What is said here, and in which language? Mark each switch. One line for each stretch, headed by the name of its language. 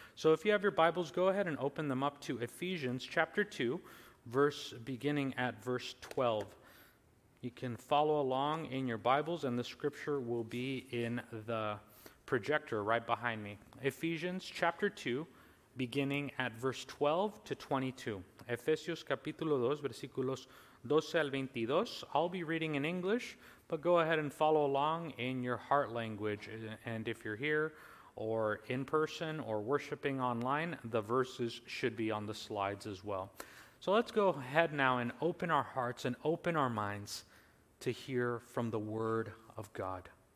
English: So if you have your Bibles, go ahead and open them up to Ephesians chapter 2, beginning at verse 12. You can follow along in your Bibles, and the scripture will be in the projector right behind me. Ephesians chapter 2, beginning at verse 12 to 22.
Spanish: Ephesians capítulo 2, versículos 12 al 22.
English: I'll be reading in English, but go ahead and follow along in your heart language. And if you're here or in person or worshiping online, the verses should be on the slides as well. So let's go ahead now and open our hearts and open our minds to hear from the Word of God.